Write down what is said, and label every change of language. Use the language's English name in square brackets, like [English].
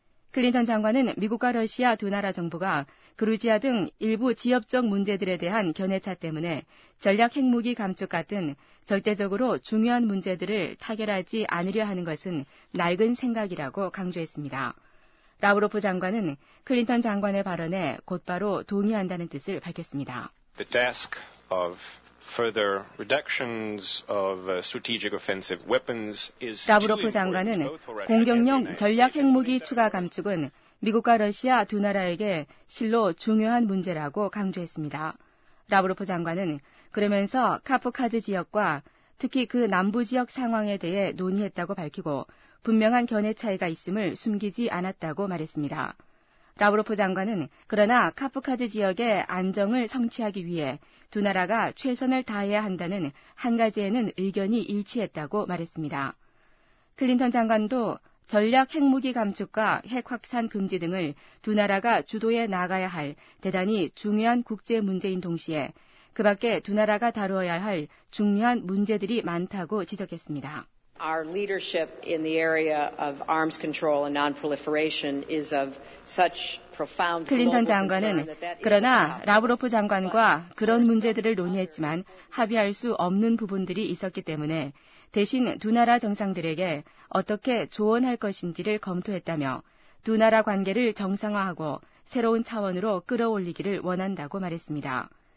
[Korean] 클린턴 장관은 미국과 러시아 두 나라 정부가 그루지아 등 일부 지역적 문제들에 대한 견해차 때문에 전략 핵무기 감축 같은 절대적으로 중요한 문제들을 타결하지 않으려 하는 것은 낡은 생각이라고 강조했습니다. 라브로프 장관은 클린턴 장관의 발언에 곧바로 동의한다는 뜻을 밝혔습니다. [English] The task of further reductions of strategic offensive weapons is [Korean] 라브로프 장관은 공격용 전략 핵무기 추가 감축은 미국과 러시아 두 나라에게 실로 중요한 문제라고 강조했습니다. 라브로프 장관은 그러면서 카프카즈 지역과 특히 그 남부 지역 상황에 대해 논의했다고 밝히고 분명한 견해 차이가 있음을 숨기지 않았다고 말했습니다. 라브로프 장관은 그러나 카프카즈 지역의 안정을 성취하기 위해 두 나라가 최선을 다해야 한다는 한 가지에는 의견이 일치했다고 말했습니다. 클린턴 장관도 전략 핵무기 감축과 핵 확산 금지 등을 두 나라가 주도해 나가야 할 대단히 중요한 국제 문제인 동시에 그 밖에 두 나라가 다루어야 할 중요한 문제들이 많다고 지적했습니다. [English] Our leadership in the area of arms control and non-proliferation is of such profound. [Korean] 클린턴 장관은 그러나 라브로프 장관과 그런 문제들을 논의했지만 합의할 수 없는 부분들이 있었기 때문에 대신 두 나라 정상들에게 어떻게 조언할 것인지를 검토했다며 두 나라 관계를 정상화하고 새로운 차원으로 끌어올리기를 원한다고 말했습니다.